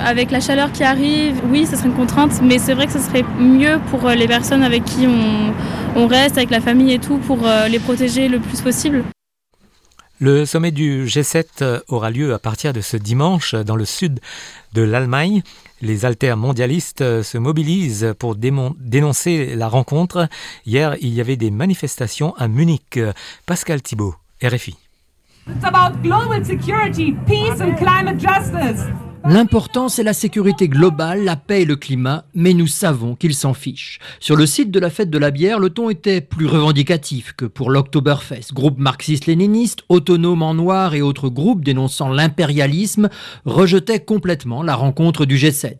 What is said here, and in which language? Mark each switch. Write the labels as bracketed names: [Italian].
[French] Avec la chaleur qui arrive, oui, ça serait une contrainte. Mais c'est vrai que ça serait mieux pour les personnes avec qui on reste, avec la famille et tout, pour les protéger le plus possible. Le sommet du G7 aura lieu à partir de ce dimanche dans le sud de l'Allemagne. Les altermondialistes se mobilisent pour dénoncer la rencontre. Hier, il y avait des manifestations à Munich. Pascal Thibault, RFI. [English] It's about global security, peace and climate justice. [French] L'important, c'est la sécurité globale, la paix et le climat, mais nous savons qu'ils s'en fichent. Sur le site de la fête de la bière, le ton était plus revendicatif que pour l'Oktoberfest. Groupe marxiste-léniniste, autonome en noir et autres groupes dénonçant l'impérialisme rejetaient complètement la rencontre du G7.